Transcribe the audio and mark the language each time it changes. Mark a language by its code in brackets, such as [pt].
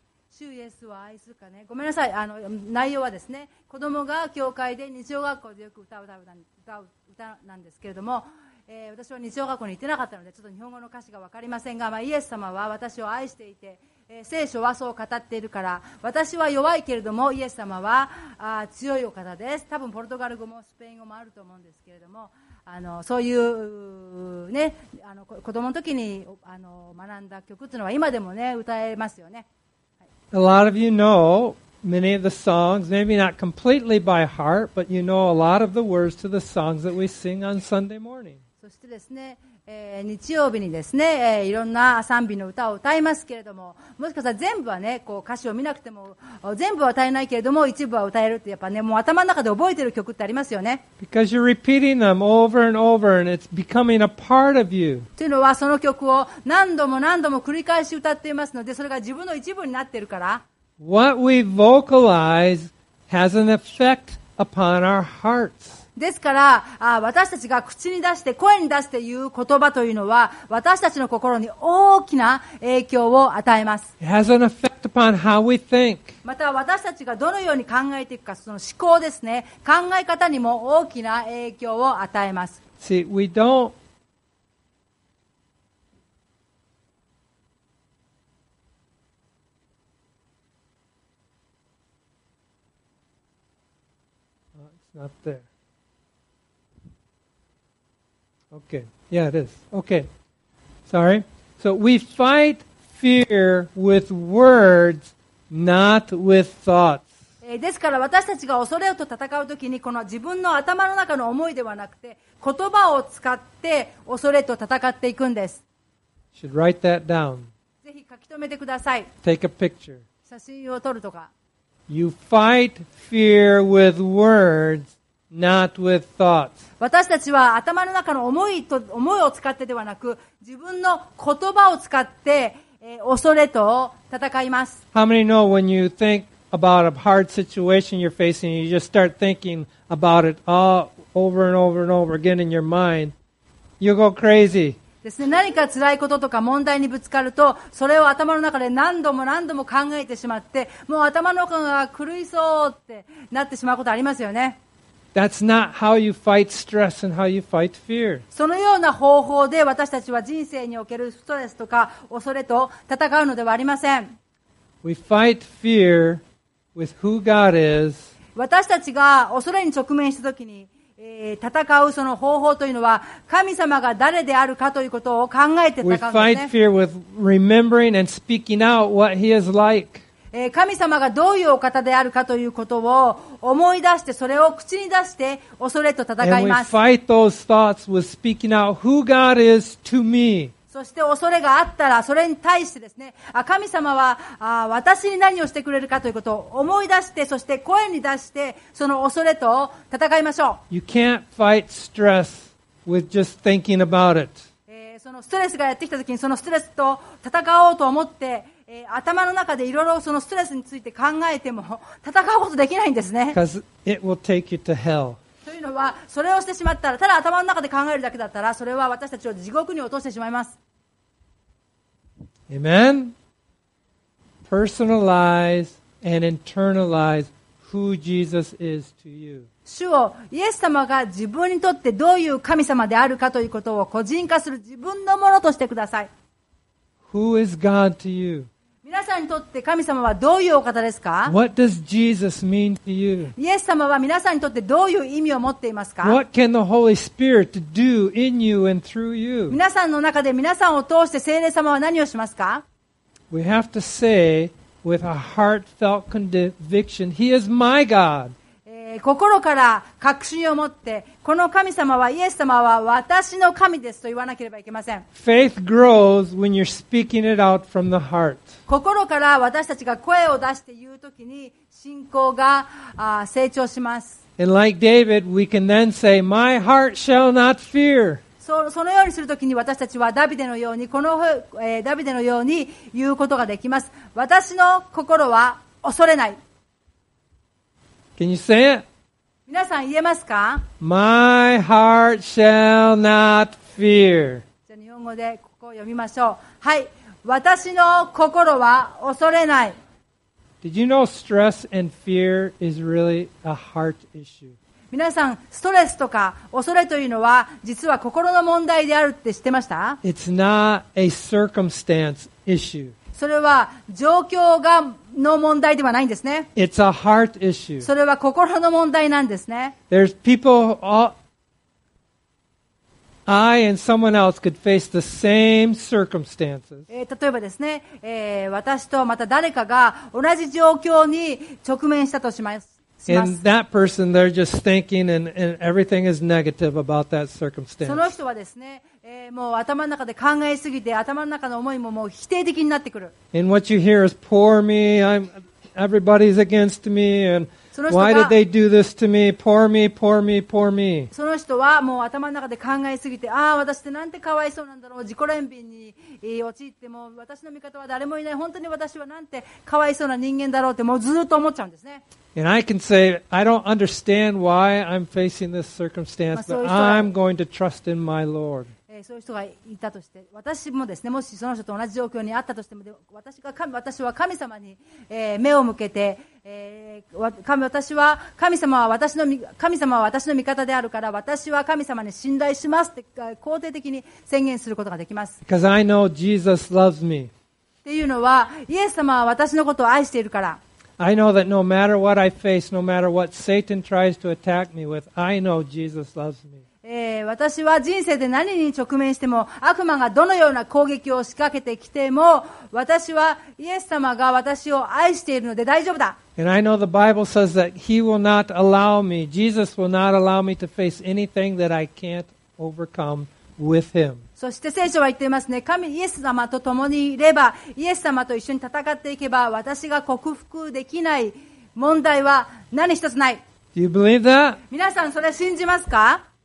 [ja] 主イエスは愛するかね。ごめんなさい。内容はですね、子供が教会で日曜学校でよく歌う歌なんですけれども、私は日曜学校に行ってなかったので、ちょっと日本語の歌詞がわかりませんが、まあ、イエス様は私を愛していて、聖書はそう語っているから、私は弱いけれどもイエス様は強いお方です。多分ポルトガル語もスペイン語もあると思うんですけれども、そういうね、子供の時に学んだ曲っていうのは今でもね歌えますよね。 [en] A lot of you know many of the songs, maybe not completely by heart, but you know a lot of the words to the songs that we sing on Sunday morning. [ja] そしてですね、日曜日にですね、いろんな賛美の歌を歌いますけれども、もしかしたら全部はね、こう歌詞を見なくても全部は歌えないけれども一部は歌えるって、やっぱね、もう頭の中で覚えてる曲ってありますよね。 [en] Because you're repeating them over and over and it's becoming a part of you。 [ja] というのはその曲を何度も何度も繰り返し歌っていますので、それが自分の一部になっているから。 [en] What we vocalize has an effect upon our hearts。 [ja] ですから、私たちが口に出して声に出して言う言葉というのは私たちの心に大きな影響を与えます。 [en] It has an effect upon how we think. [ja] また私たちがどのように考えていくか、その思考ですね、考え方にも大きな影響を与えます。 [en] See, we don't It's not thereOkay, yeah, it is. Okay, sorry. So we fight fear with words, not with thoughts. [ja] ですから私たちが恐れと戦うときに、この自分の頭の中の思いではなくて、言葉を使って恐れと戦っていくんです。 [en] Should write that down. [ja] ぜひ書き留めてください。 [en] Take a picture. [ja] 写真を撮るとか。 [en] You fight fear with words. Not with thoughts. [ja] 私たちは頭の中の思いを使ってではなく、自分の言葉を使って、恐れと戦います。 [en] How many know when you think about a hard situation you're facing, you just start thinking about it all over and over and over again in your mind, you go crazy. [ja] ですね、何か辛いこととか問題にぶつかると、それを頭の中で何度も何度も考えてしまって、もう頭の中が狂いそうってなってしまうことありますよね。 [en] That's not how you fight stress and how you fight fear. [ja] そのような方法で私たちは人生におけるストレスとか恐れと戦うのではありません。 [en] We fight fear with who God is. [ja] 私たちが恐れに直面したときに、戦うその方法というのは神様が誰であるかということを考えて戦うんですね。 [en] We fight fear with remembering and speaking out what He is like. [ja] 神様がどういうお方であるかということを思い出して、それを口に出して恐れと戦います。 [en] And we fight those thoughts with speaking out who God is to me. [ja] そして恐れがあったら、それに対してですね、神様は私に何をしてくれるかということを思い出して、そして声に出してその恐れと戦いましょう。 [en] You can't fight stress with just thinking about it. [ja] そのストレスがやってきたときに、そのストレスと戦おうと思って頭の中でいろいろそのストレスについて考えても戦うことできないんですね。 [en] Because it will take you to hell. [ja] というのは、それをしてしまったら、ただ頭の中で考えるだけだったら、それは私たちを地獄に落としてしまいます。 [en] Amen. Personalize and internalize who Jesus is to you. [ja] 主をイエス様が自分にとってどういう神様であるかということを個人化する、自分のものとしてください。 [en] Who is God to you? [ja] 皆さんにとって神様はどういうお方ですか? [en] What does Jesus mean to you? [ja] イエス様は皆さんにとってどういう意味を持っていますか? [en] What can the Holy Spirit do in you and through you? [ja] 皆さんの中で皆さんを通して聖霊様は何をしますか? [en] We have to say with a heartfelt conviction, He is my God. [ja] 心から確信を持って、この神様は、イエス様は私の神ですと言わなければいけません。 [en] Faith grows when you're speaking it out from the heart. [ja] 心から私たちが声を出して言うときに、信仰が成長します。 [en] And like David, we can then say, My heart shall not fear. [ja] そのようにするときに、私たちはダビデのように、ダビデのように言うことができます。私の心は恐れない。 [en] Can you say it? [ja] 皆さん言えますか? [en] My heart shall not fear. [ja] じゃあ日本語でここを読みましょう。はい。私の心は恐れない。 [en] Did you know stress and fear is really a heart issue? [ja] 皆さん、ストレスとか恐れというのは実は心の問題であるって知ってました? [en] It's not a circumstance issue. [ja] それは状況がの問題ではないんですね。 [en] It's a heart issue. [ja] それは心の問題なんですね。 [en] There's people, I and someone else could face the same circumstances. [ja] 例えばですね、私とまた誰かが同じ状況に直面したとします。 [en] In that person, they're just thinking and everything is negative about that circumstance. [ja] その人はですね、もう頭の中で考えすぎて、頭の中の思いももう否定的になってくる。 [en] And what you hear is, poor me, everybody's against me, and why did they do this to me? Poor me, poor me, poor me. [ja] その人はもう頭の中で考えすぎて、ああ、私ってなんてかわいそうなんだろう。自己憐憫に陥っても、私の味方は誰もいない。本当に私はなんてかわいそうな人間だろうってもうずっと思っちゃうんですね。 [en] And I can say, I don't understand why I'm facing this circumstance, but I'm going to trust in my Lord. [ja] そういう人がいたとして、私もですね、もしその人と同じ状況にあったとしても、私は神様に目を向けて、私は神様は私の神様は私の味方であるから、私は神様に信頼しますって肯定的に宣言することができます。 [en] Because I know Jesus loves me. [ja] っていうのは、イエス様は私のことを愛しているから。 [en] I know that no matter what I face, no matter what Satan tries to attack me with, I know Jesus loves me. [ja] 私は人生で何に直面しても、悪魔がどのような攻撃を仕掛けてきても、私はイエス様が私を愛しているので大丈夫だ。 [en] And I know the Bible says that He will not allow me, Jesus will not allow me to face anything that I can't overcome with Him. [ja] そして聖書は言っていますね。神イエス様と共にいれば、イエス様と一緒に戦っていけば、私が克服できない問題は何一つない。 [en] Do you believe that? [ja] 皆さんそれ信じますか?